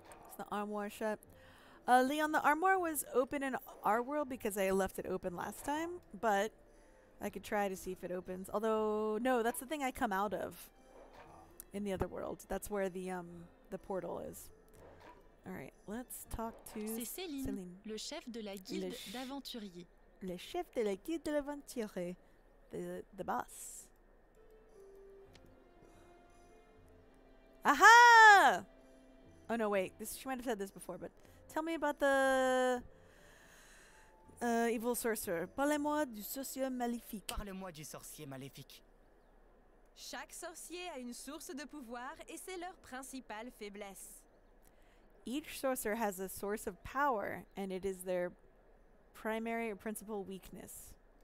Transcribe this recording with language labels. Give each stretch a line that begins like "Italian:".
English: Is the armoire shut? Leon, the armoire was open in our world because I left it open last time, but I could try to see if it opens. Although, no, that's the thing I come out of in the other world. That's where the portal is. Alright, let's talk to
French: C'est Céline, le chef de la guilde d'aventuriers. Le chef de la guilde de l'aventurier.
English: The boss. Aha! Oh no, wait. She might have said this before, but tell me about the evil sorcerer.
French: Parlez-moi du sorcier maléfique. Chaque sorcier a une source de pouvoir et c'est leur principale faiblesse.
English: Each sorcerer has a source of power, and it is their primary or principal weakness.